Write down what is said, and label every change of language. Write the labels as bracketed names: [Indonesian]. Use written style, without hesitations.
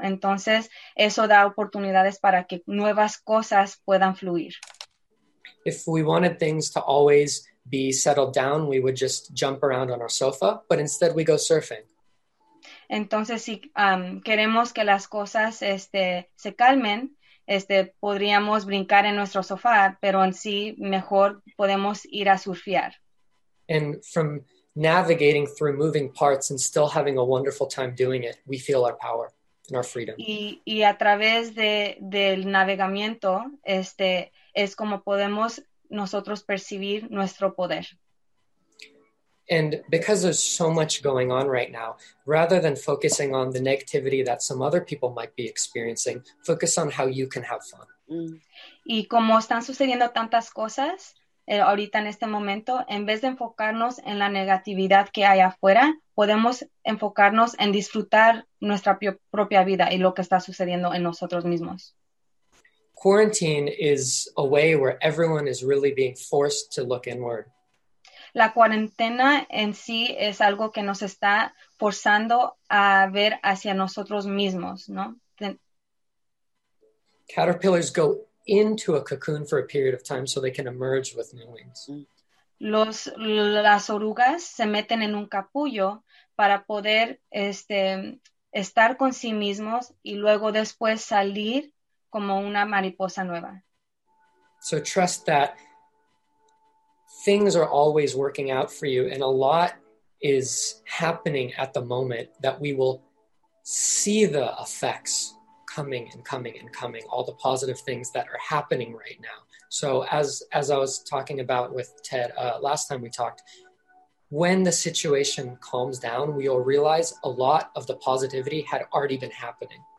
[Spanish] Entonces, eso da oportunidades para que nuevas cosas puedan fluir. [English] If we wanted things to always be settled down, we would just jump around on our sofa, but instead we go surfing. [Spanish] Entonces, si queremos que las cosas se calmen, podríamos brincar en nuestro sofá, pero en sí, mejor podemos ir a surfear. [English] And from navigating through moving parts and still having a wonderful time doing it, we feel our power and our freedom. [Spanish] Y a través del navegamiento, es como podemos nosotros percibir nuestro poder. [English] And because there's so much going on right now, rather than focusing on the negativity that some other people might be experiencing, focus on how you can have fun. [Spanish] Y como están sucediendo tantas cosas ahorita en este momento, en vez de enfocarnos en la negatividad que hay afuera, podemos enfocarnos en disfrutar nuestra propia vida y lo que está sucediendo en nosotros mismos. [English] Quarantine is a way where everyone is really being forced to look inward. [Spanish] La cuarentena en sí es algo que nos está forzando a ver hacia nosotros mismos, ¿no? [English] Caterpillars go into a cocoon for a period of time so they can emerge with new wings. [Spanish] Las orugas se meten en un capullo para poder estar con sí mismos y luego después salir como una mariposa nueva. [English] So trust that things are always working out for you, and a lot is happening at the moment that we will see the effects coming and coming and coming, all the positive things that are happening right now. So as I was talking about with Ted last time we talked, when the situation calms down, we'll realize a lot of the positivity had already been happening.